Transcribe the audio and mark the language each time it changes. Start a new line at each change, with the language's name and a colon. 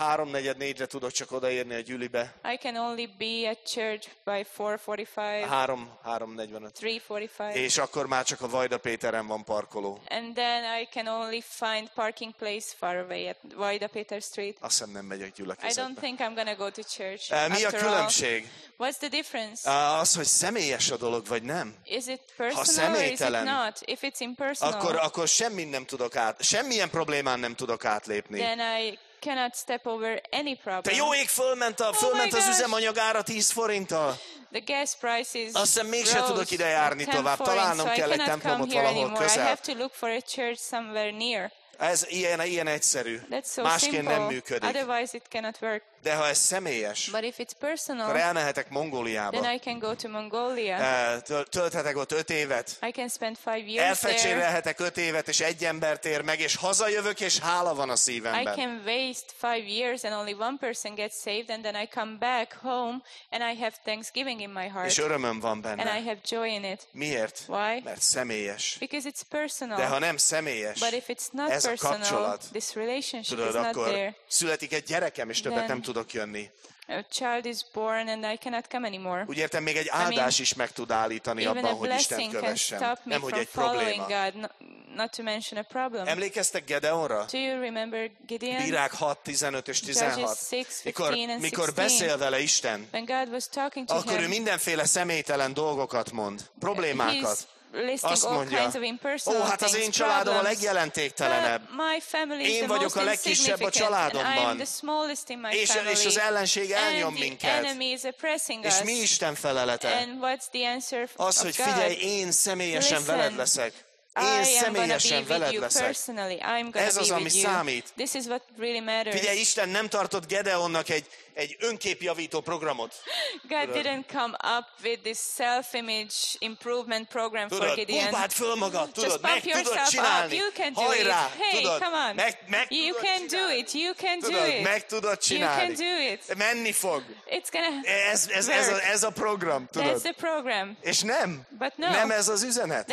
Hungarian: 3:44-re tudok csak odaérni a gyülibe.
English: I can only be at church by 4:45.
Hungarian: 3:45.
English: 3:45.
Hungarian: És akkor már csak a Vajda Péteren van parkoló.
English: And then I can only find parking place far away at Vajda Péter Street.
Hungarian: Azt hiszem, nem megyek gyülekezetbe.
English: I don't think I'm gonna go to church.
Hungarian: Mi a különbség?
English: All. What's the difference?
Hungarian: Az, hogy személyes a dolog, vagy nem.
English: Is it personal?
Hungarian: Ha személytelen,
English: or is it not? If it's impersonal.
Hungarian: Akkor semmit nem tudok át. Semmilyen problémán nem tudok átlépni.
English: Then I cannot step over any problem.
Hungarian: Te jó ég, fölment az üzemanyag ára 10 forinttal.
English: The gas price is.
Hungarian: Azt hiszem, mégsem tudok ide járni tovább. Találnom kell egy templomot valahol közel.
English: I have to look for a church somewhere near.
Hungarian: Ez ilyen egyszerű.
English: That's so
Hungarian: másként
English: simple.
Hungarian: Nem működik.
English: Otherwise it cannot work.
Hungarian: De ha ez személyes,
English: but if it's personal,
Hungarian: akkor elmehetek Mongóliába.
English: Then I can go to Mongolia.
Hungarian: Tölthetek ott 5 évet.
English: I can spend 5 years
Hungarian: elfecsérelhetek 5 évet, és egy embert ér meg, és hazajövök, és hála van a szívemben.
English: I can waste 5 years and only one person gets saved, and then I come back home and I have thanksgiving in my heart.
Hungarian: És örömöm van benne.
English: And I have joy in it.
Hungarian: Miért?
English: Why?
Hungarian: Mert személyes.
English: Because it's personal.
Hungarian: De ha nem személyes,
English: but if it's not
Hungarian: ez a kapcsolat,
English: this relationship
Hungarian: tudod,
English: is not
Hungarian: akkor
English: there,
Hungarian: születik egy gyerekem, és többet nem tudok jönni.
English: A child is born and I cannot come anymore.
Hungarian: Úgy értem, még egy áldás is meg tud állítani abban, hogy Istent kövessem. Nem, hogy egy probléma.
English: God, not to mention a problem.
Hungarian: Emlékeztek Gedeonra?
English: Do you remember Gideon?
Hungarian: Bírák 6:15 és 16. Mikor beszél vele Isten,
English: when God was talking to
Hungarian: akkor
English: him,
Hungarian: ő mindenféle személytelen dolgokat mond, problémákat. Azt mondja, ó, hát az én családom a legjelentéktelenebb. Én vagyok a legkisebb a családomban. És az ellenség elnyom minket. És mi Isten felelete? Az, hogy figyelj, én személyesen veled leszek. Én személyesen veled leszek. Ez az, ami számít. Figyelj, Isten nem tartott Gedeonnak egy önképjavító programot.
English: God didn't come up with this self-image improvement program for Gideon.
Hungarian: Pumpáld föl magad, tudod,
English: just pump yourself up, you can do
Hungarian: hajrá,
English: it. Hey,
Hungarian: tudod,
English: come on.
Hungarian: Meg
English: you can
Hungarian: csinálni.
English: Do it, you can
Hungarian: tudod,
English: do it.
Hungarian: Meg tudod csinálni.
English: You can do it.
Hungarian: Menni fog.
English: It's gonna
Hungarian: ez a program, tudod.
English: That's the program.
Hungarian: És nem.
English: But no.
Hungarian: Nem ez az üzenet.